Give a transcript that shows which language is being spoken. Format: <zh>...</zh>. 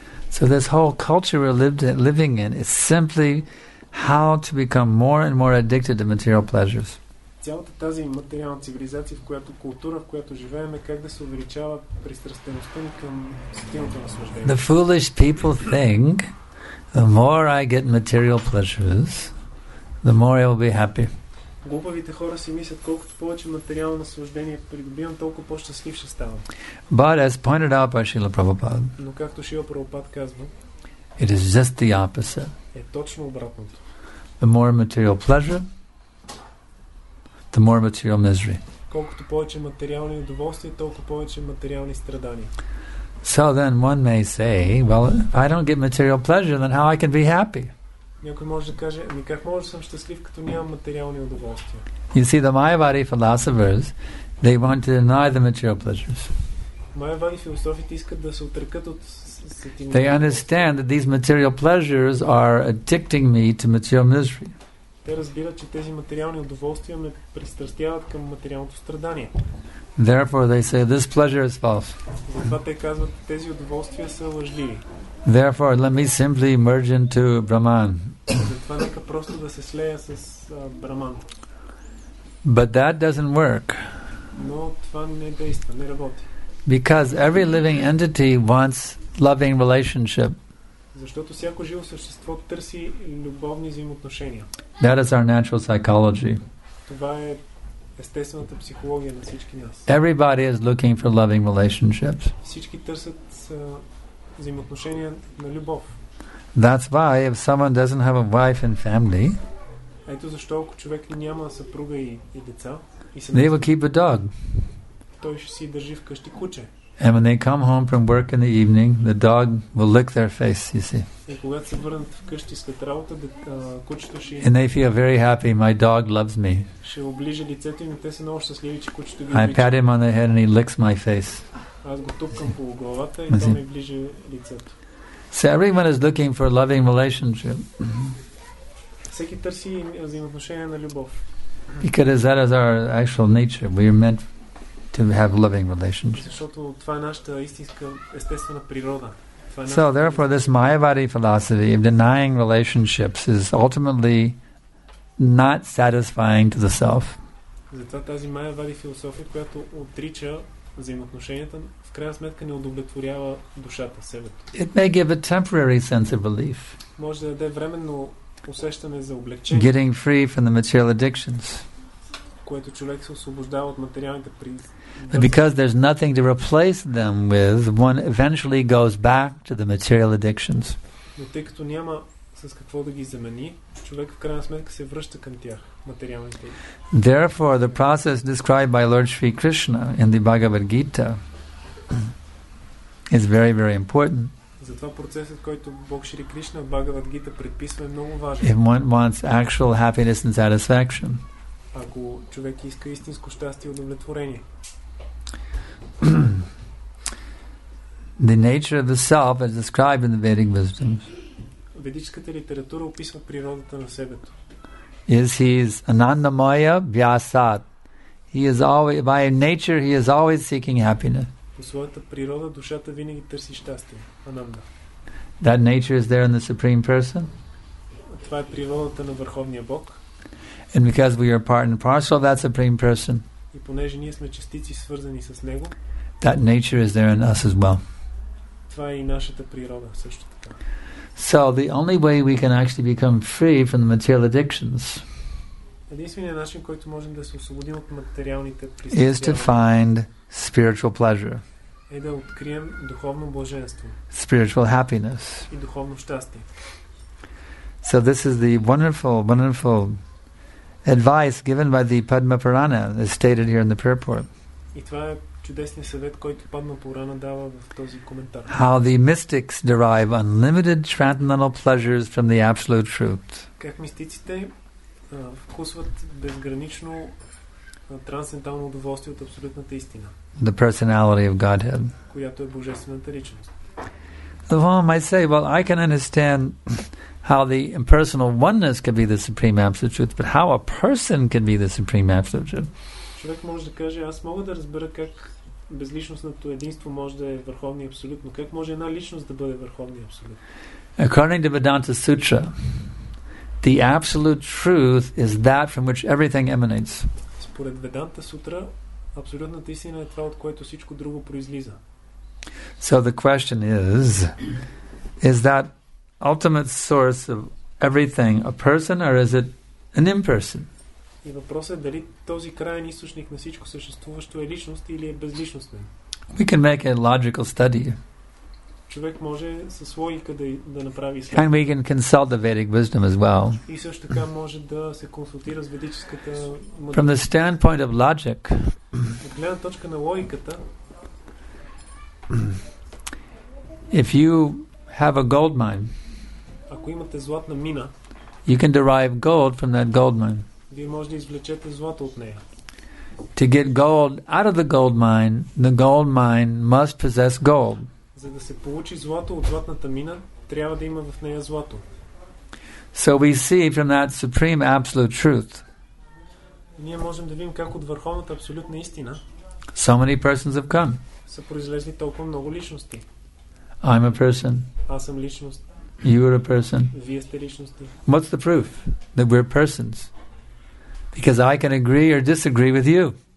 <en>So this whole culture we're living in is simply how to become more and more addicted to material pleasures.</en> <bg>Цялата тази материална цивилизация, в която култура, в която живеем, е как да се увеличава пристрастеността ни към сетилното наслаждение.</bg> <en>The foolish people think the more I get material pleasures, the more I will be happy.</en> <bg>Глупавите хора си мислят, колкото повече материално наслаждение придобивам, толкова по-щастлив ще ставам.</bg> <en>But as pointed out by Шрила Прабхупад,</en> <bg>но както Шрила Прабхупад казва,</bg> <en>it is just the opposite.</en> <bg>Е точно обратното.</bg> <en>The more material pleasure, the more material misery.</en> <bg>Колкото повече материални удоволствия, толкова повече материални страдания.</bg> <en>So then one may say, well, if I don't get material pleasure, then how I can be happy?</en> <bg>Някой може да каже, ами как може да съм щастлив, като нямам материални удоволствия?</bg> <en>You see, the Mayavadi philosophers, they want to deny the material pleasures.</en> <bg>Mayavadi философите искат да се отрекат от</bg> <en>They understand that these material pleasures are addicting me to material misery.</en> <bg>Те разбират, че тези материални удоволствия ме пристрастяват към материалното страдание.</bg> <en>Therefore they say this pleasure is false.</en> <bg>Затова те казват, тези удоволствия са лъжливи.</bg> <en>Therefore let me simply merge into Brahman.</en> <bg>Затова нека просто да се слея с Браман.</bg> <en>But that doesn't work.</en> <bg>Но това не действа, не работи.</bg> <en>Because every living entity wants loving relationship.</en> <bg>Защото всяко живо същество търси любовни взаимоотношения.</bg> <en>That is our natural psychology.</en> <bg>Това е естествената психология на всички нас.</bg> <en>Everybody is looking for loving relationships.</en> <bg>Всички търсят взаимоотношения на любов.</bg> <en>That's why if someone doesn't have a wife and family,</en> <bg>ето защо ако човек няма съпруга и деца,</bg> <en>they will keep a dog.</en> <bg>Той ще си държи вкъщи куче.</bg> <en>And when they come home from work in the evening, the dog will lick their face, you see.</en> <bg>Когато се върнат вкъщи след работа, кучето ще...</bg> <en>And they feel very happy, my dog loves me.</en> <bg>Ще оближи лицето им, те са много щастливи, че кучето ги обича.</bg> <en>I pat him on the head and he licks my face.</en> <bg>Аз го тупкам по главата и то ми ближи лицето.</bg> <en>So everyone is looking for a loving relationship.</en> <bg>Всеки търси взаимоотношение на любов.</bg> <en>Because that is our actual nature. We are meant to have loving relationships.</en> <bg>Защото това е нашата истинска естествена природа.</bg> <en>So therefore this Mayavadi philosophy of denying relationships is ultimately not satisfying to the self.</en> <bg>Затова тази Mayavadi философия, която отрича взаимоотношенията, в крайна сметка не удовлетворява душата, себето.</bg> <en>It may give a temporary sense of relief.</en> <bg>Може да даде временно усещане за облегчение.</bg> <en>Getting free from the material addictions.</en> <bg>Което човек се освобождава от материалните привързаности.</bg> <en>But because there's nothing to replace them with, one eventually goes back to the material addictions.</en> <bg>Но тъй като няма с какво да ги замени, човек в крайна сметка се връща към тях, материалните.</bg> <en>Therefore, the process described by Lord Sri Krishna in the Bhagavad Gita is very, very important.</en> <bg>Затова процесът, който Бог Шри Кришна в Бхагавад Гита предписва, е много важен.</bg> <en>If one wants actual happiness and satisfaction.</en> <bg>Ако човек иска истинско щастие и удовлетворение.</bg> <en>The nature of the self as described in the Vedic wisdoms.</en> <bg>Ведическата литература описва природата на себето.</bg> <en>Is he is Anandamaya Vyasat. He is always, by nature he is always seeking happiness.</en> <bg>По своята природа душата винаги търси щастие. Ананда.</bg> <en>That nature is there in the Supreme Person.</en> <bg>Това е природата на Върховния Бог.</bg> <en>And because we are part and parcel of that Supreme Person.</en> <bg>И понеже ние сме частици свързани с него.</bg> <en>That nature is there in us as well.</en> <bg>Това е и нашата природа също така.</bg> <en>So the only way we can actually become free from the material addictions.</en> <bg>Единственият начин, който можем да се освободим от материалните пристрастия.</bg> <en>Is to find spiritual pleasure.</en> <bg>Е да открием духовно блаженство.</bg> <en>Spiritual happiness.</en> <bg>И духовно щастие.</bg> <en>So this is the wonderful, wonderful advice given by the Padma Purana, as stated here in the purport.</en> <bg>И това е чудесният съвет, който Падма Пурана дава в този коментар.</bg> <en>How the mystics derive unlimited transcendental pleasures from the absolute truth.</en> <bg>Как мистиците вкусват безгранично трансцендентално удоволствие от абсолютната истина.</bg> <en>The personality of Godhead.</en> <bg>Която е божествената личност.</bg> <en>The one might say, well, I can understand how the impersonal oneness can be the supreme absolute truth, but how a person can be the supreme absolute truth.</en> <bg>Човек може да каже, аз мога да разбера как безличностното единство може да е върховни абсолют, но как може една личност да бъде върховни абсолют?</bg> <en>According to Vedanta Sutra, the absolute truth is that from which everything emanates.</en> <bg>Според Веданта Сутра, абсолютната истина е това, от което всичко друго произлиза.</bg> <en>So the question is that ultimate source of everything a person, or is it an imperson?</en> <bg>И въпросът е дали този крайен източник на всичко съществуващо е личност или е безличностен.</bg> <en>We can make a logical study.</en> <bg>Човек може със логика да направи следствие.</bg> <en>And we can consult the Vedic wisdom as well.</en> <bg>И също така може да се консултира с ведическата мъдрост.</bg> <en>From the standpoint of logic,</en> <bg>от гледна точка на логиката,</bg> <en>if you have a gold mine,</en> <bg>ако имате златна мина,</bg> <en>you can derive gold from that gold mine.</en> <bg>Вие може да извлечете злато от нея.</bg> <en>To get gold out of the gold mine, the gold mine must possess gold.</en> <bg>за да се получи злато от златната мина, трябва да има в нея злато.</bg> <en>So we see from that supreme absolute truth.</en> <bg>Ние можем да видим как от върховната абсолютна истина.</bg> <en>So many persons have come.</en> <bg>Са произлезли толкова много личности.</bg> <en>I'm a person.</en> <bg>Аз съм личност.</bg> <en>You are a person.</en> <bg>Вие сте личности.</bg> <en>What's the proof that we're persons? Because I can agree or disagree with you.</en>